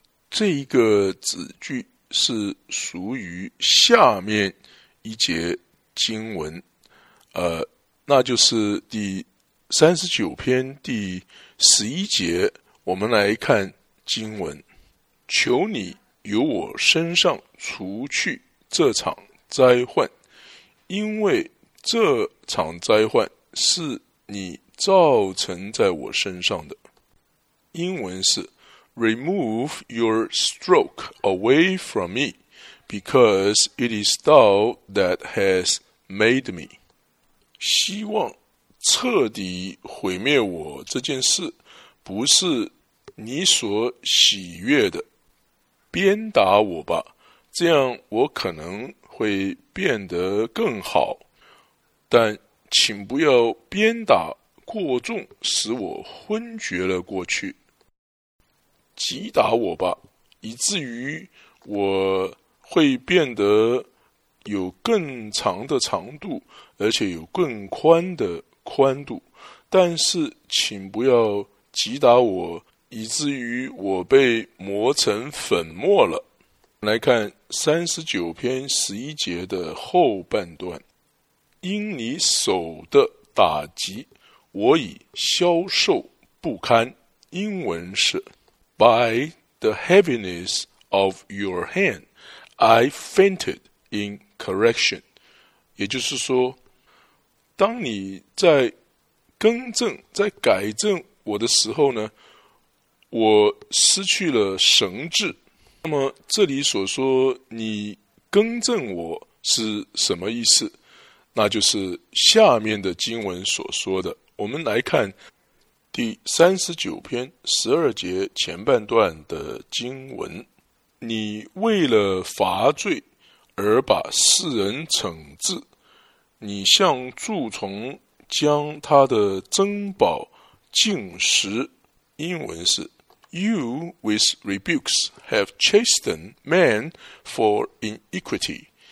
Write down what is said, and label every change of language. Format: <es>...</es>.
<zh>这一个子句是属于下面一节经文，那就是第39篇第11节。我们来看经文。求你由我身上除去这场灾患，因为这场灾患是你造成在我身上的。</zh> <en>英文是 Remove your stroke away from me because it is thou that has made me.</en> <zh>希望彻底毁灭我这件事不是你所喜悦的，鞭打我吧，这样我可能会变得更好，但请不要鞭打过重使我昏厥了过去，击打我吧，以至于我会变得有更长的长度，而且有更宽的宽度，但是请不要击打我，以至于我被磨成粉末了。来看39篇11节的后半段。因你手的打击，我已消瘦不堪。</zh> <en>英文是 By the heaviness of your hand, I fainted in correction.</en> <zh>也就是说，当你在更正、在改正我的时候呢，我失去了神智。那么这里所说你更正我是什么意思？那就是下面的经文所说的。我们来看第39篇12节前半段的经文。你为了罚罪而把世人惩治，你向蛀虫将他的珍宝禁食。</zh> <en>英文是 You with rebukes have chastened man for iniquity.</en>